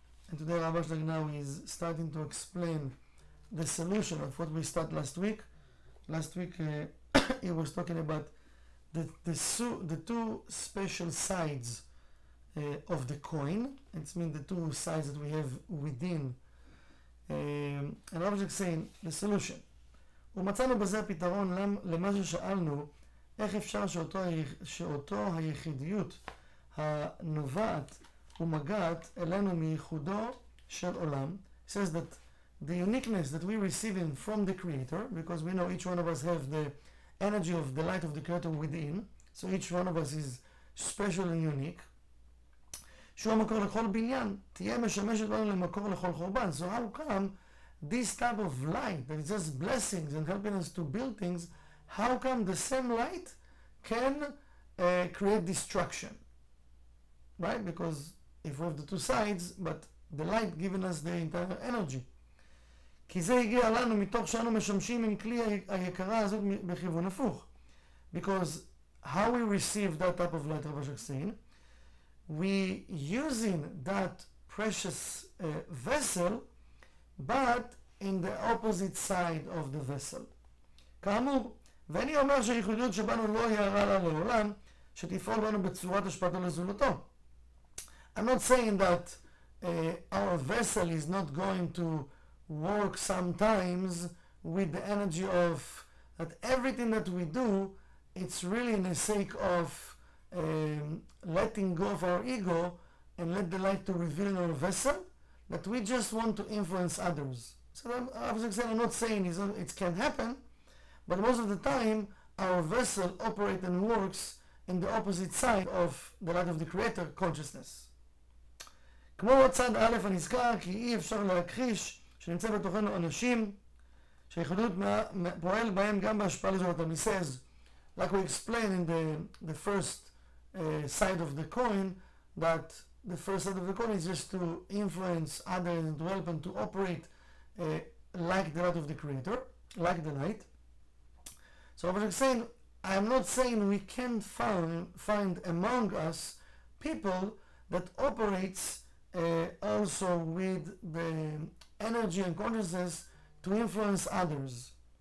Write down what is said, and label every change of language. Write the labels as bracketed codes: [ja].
[en] And today Rav Ashlag now is starting to explain the solution of what we started last week. Last week he was talking about the two special sides of the coin. It's mean the two sides that we have within. And Rav Ashlag saying the solution. [he] ומצאנו בזה פתרון למה ששאלנו איך אפשר שאותו היחידיות הנובעת ומגעת אלינו מייחודו של עולם. [en] He says that the uniqueness that we receive in from the Creator, because we know each one of us have the energy of the light of the Creator within, so each one of us is special and unique. [he] שהוא המקור לכל בניין, תהיה משמשת לנו למקור לכל חורבן. [en] So how come this type of light that is just blessings and helping us to build things, how come the same light can create destruction? Right? Because if we have the two sides, but the light giving us the entire energy. [he] כי זה הגיע לנו מתוך שאנו משמשים עם כלי היקרה הזאת בכיוון הפוך. [en] Because how we receive that type of light, Rav Ashlag saying, we using that precious vessel, but in the opposite side of the vessel. [he] כאמור, ואני אומר שהייחודיות שבנו לא יערה לה לעולם, שתפעול בנו בצורת השפעתו לזולתו. [en] I'm not saying that our vessel is not going to work sometimes with the energy of that everything that we do, it's really in the sake of letting go of our ego and let the light to reveal in our vessel, that we just want to influence others. So I'm not saying it can happen, but most of the time our vessel operates and works in the opposite side of the light of the Creator consciousness. [he] כמו הצד א' הנזכר, כי אי אפשר להכחיש שנמצא בתוכנו אנשים שהיחודיות פועל בהם גם בהשפעה לזולתם. [en] He says, like we explained in the first side of the coin, that the first side of the coin is just to influence others and to help and to operate like the light of the Creator, like the light. So I was saying, I'm not saying we can't find among us people that operates also with the energy and consciousness to influence others.